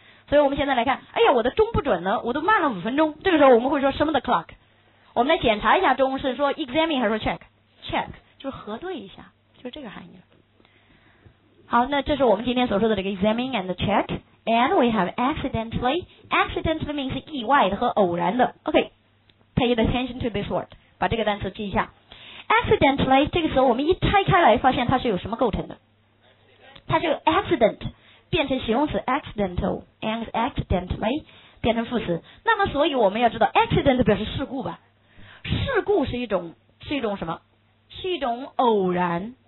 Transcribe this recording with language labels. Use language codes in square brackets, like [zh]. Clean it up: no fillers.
[zh] 所以我们现在来看，哎呀，我的钟不准了，我都慢了五分钟，这个时候我们会说什么的 clock， 我们来检查一下钟，是说 examine 还是 check。 check 就是核对一下，就是这个含义。好，那这是我们今天所说的这个 [en] examine and check。 And we have accidentally。 Accidentally means [zh] 意外的和偶然的。 [en] OK， pay attention to this word， [zh] 把这个单词记一下。 Accidentally 这个词我们一拆开来发现它是有什么构成的，它是有 accident 变成形容词 accidental， [en] and accidentally [zh] 变成副词。那么所以我们要知道 accident 表示事故吧，事故是一种，是一种什么，是一种偶然。